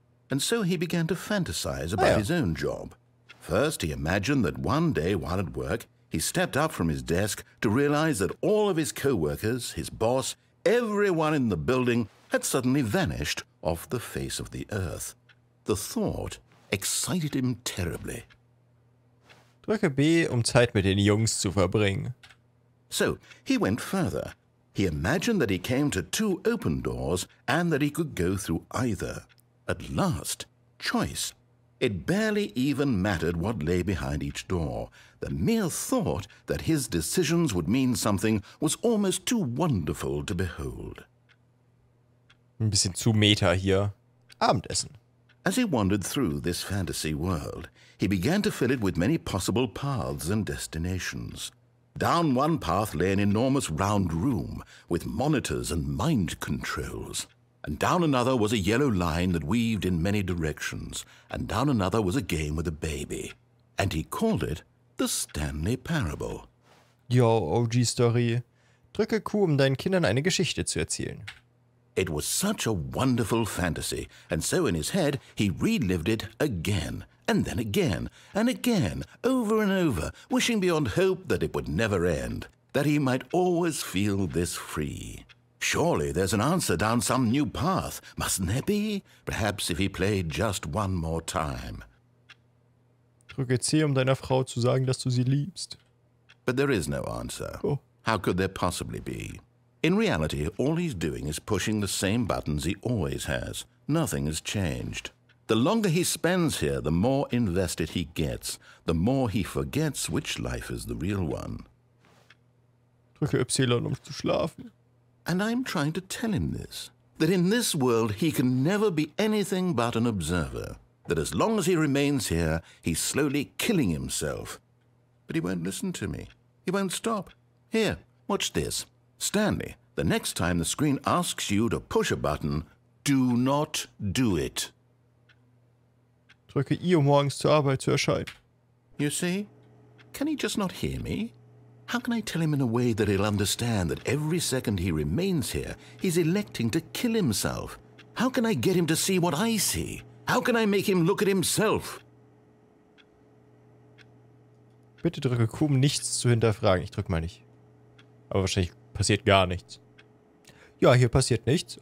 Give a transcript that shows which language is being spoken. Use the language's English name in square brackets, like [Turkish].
[English] And so he began to fantasize about his own job. First, he imagined that one day while at work, he stepped up from his desk to realize that all of his co-workers, his boss, everyone in the building had suddenly vanished off the face of the earth. The thought excited him terribly. [German] Drücke B, um Zeit mit den Jungs zu verbringen. [English] So, he went further. He imagined that he came to two open doors and that he could go through either. At last, choice. It barely even mattered what lay behind each door. The mere thought that his decisions would mean something was almost too wonderful to behold. [German] Ein bisschen zu meta hier. Abendessen. [English] As he wandered through this fantasy world, he began to fill it with many possible paths and destinations. Down one path lay an enormous round room with monitors and mind controls. And down another was a yellow line that weaved in many directions. And down another was a game with a baby. And he called it the Stanley Parable. Yo, OG Story. [German] Drücke Q, um deinen Kindern eine Geschichte zu erzählen. [English] It was such a wonderful fantasy. And so in his head, he relived it again. And then again. And again. Over and over. Wishing beyond hope that it would never end. That he might always feel this free. Surely there's an answer down some new path. Mustn't there be? Perhaps if he played just one more time. [German] Drücke C, um deiner Frau zu sagen, dass du sie liebst. [English] But there is no answer. Oh. How could there possibly be? In reality, all he's doing is pushing the same buttons he always has. nothing has changed. The longer he spends here, the more invested he gets, the more he forgets which life is the real one. [German] Drücke Y, um zu schlafen. [English] And I'm trying to tell him this, that in this world he can never be anything but an observer, that as long as he remains here, he's slowly killing himself. But he won't listen to me. He won't stop. Here, watch this. Stanley, the next time the screen asks you to push a button, do not do it. [German] Drücke I, um morgens zur Arbeit zu erscheinen. [English] You see? Can he just not hear me? How can I tell him in a way that he'll understand that every second he remains here, he's electing to kill himself? How can I get him to see what I see? How can I make him look at himself? [German] Bitte drücke Q, um nichts zu hinterfragen. Ich drücke mal nicht. Aber wahrscheinlich passiert gar nichts. Ja, hier passiert nichts.